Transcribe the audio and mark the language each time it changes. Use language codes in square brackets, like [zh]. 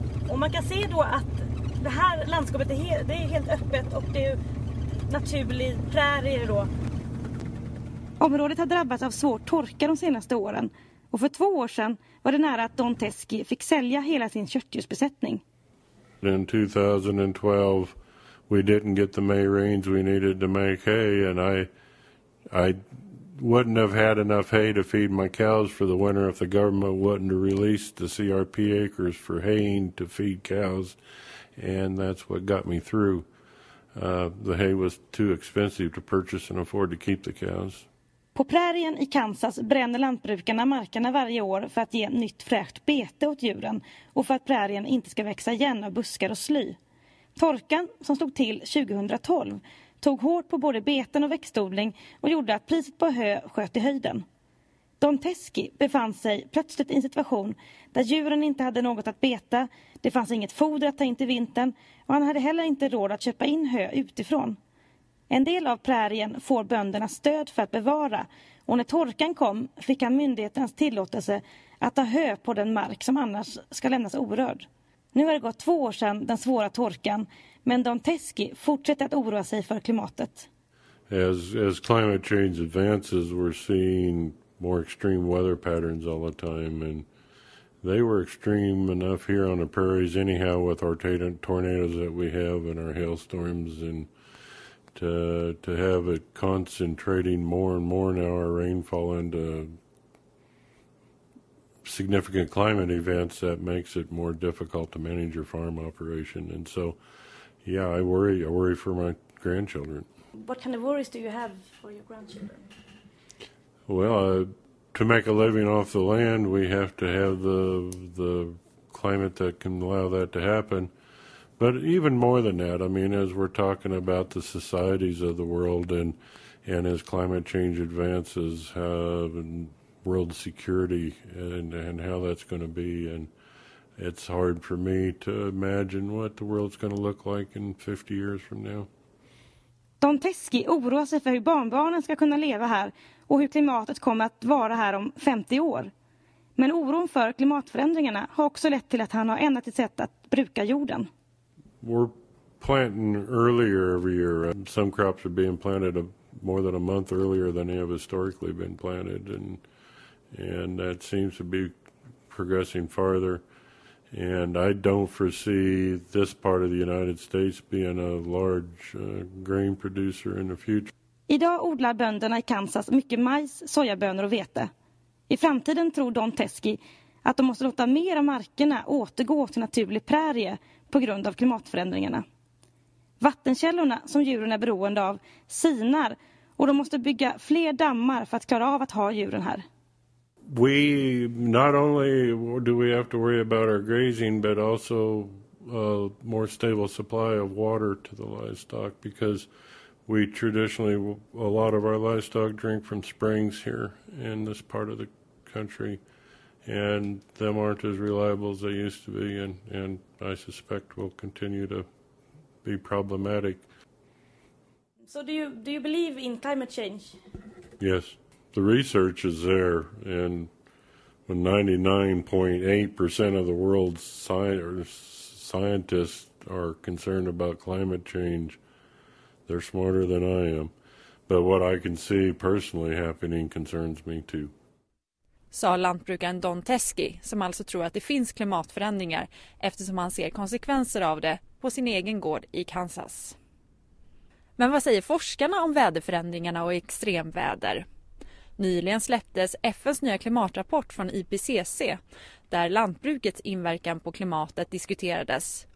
[sv] Och man kan se då att det här landskapet är helt öppet och det är naturlig prärie då. Området har drabbats av svår torka de senaste åren. Och för 2 år sedan var det nära att Don Teske fick sälja hela sin köttdjursbesättning. [en] In 2012 we didn't get the May rains we needed to make hay and I wouldn't have had enough hay to feed my cows for the winter if the government wouldn't have released the CRP acres for haying to feed cows, and that's what got me through. The hay was too expensive to purchase and afford to keep the cows. [sv] På prärien i Kansas bränner lantbrukarna markerna varje år för att ge nytt fräscht bete åt djuren och för att prärien inte ska växa igen av buskar och sly. Torkan som slog till 2012 tog hårt på både beten och växtodling och gjorde att priset på hö sköt i höjden. Don Teske befann sig plötsligt i en situation där djuren inte hade något att beta, det fanns inget foder att ta in till vintern och han hade heller inte råd att köpa in hö utifrån. En del av prärien får böndernas stöd för att bevara och när torkan kom fick han myndighetens tillåtelse att ta hö på den mark som annars ska lämnas orörd. Nu har det gått 2 år sedan den svåra torkan, men Don Teske fortsätter att oroa sig för klimatet. [en] As climate change advances, we're seeing more extreme weather patterns all the time, and they were extreme enough here on the prairies anyhow with our tornadoes that we have and our hailstorms, and to have it concentrating more and more now our rainfall into significant climate events, that makes it more difficult to manage your farm operation. And so, yeah, I worry for my grandchildren. What kind of worries do you have for your grandchildren? Well, to make a living off the land, we have to have the climate that can allow that to happen. But even more than that, I mean, as we're talking about the societies of the world and as climate change advances, and world security and how that's going to be, and it's hard for me to imagine what the world's going to look like in 50 years from now. [sv] Don Teske oroar sig för hur barnbarnen ska kunna leva här och hur klimatet kommer att vara här om 50 år. Men oron för klimatförändringarna har också lett till att han har ändrat sitt sätt att bruka jorden. [en] We're planting earlier every year. Some crops are being planted more than a month earlier than they have historically been planted, and that seems to be progressing farther. And I don't foresee this part of the United States being a large grain producer in the future. [sv] Idag odlar bönderna i Kansas mycket majs, sojabönor och vete. I framtiden tror Don Teske att de måste låta mer av markerna återgå till naturlig prärie på grund av klimatförändringarna. Vattenkällorna som djuren är beroende av sinar, och de måste bygga fler dammar för att klara av att ha djuren här. [en] We not only do we have to worry about our grazing, but also a more stable supply of water to the livestock, because we traditionally, a lot of our livestock drink from springs here in this part of the country, and them aren't as reliable as they used to be, and I suspect will continue to be problematic. So do you believe in climate change? Yes. The research is there, and when 99.8% of the world's scientists are concerned about climate change, they're smarter than I am. But what I can see personally happening concerns me too. [sv] Sa lantbrukaren Don Teske, som alltså tror att det finns klimatförändringar eftersom han ser konsekvenser av det på sin egen gård i Kansas. Men vad säger forskarna om väderförändringarna och extremväder? Nyligen släpptes FNs nya klimatrapport från IPCC där lantbrukets inverkan på klimatet diskuterades.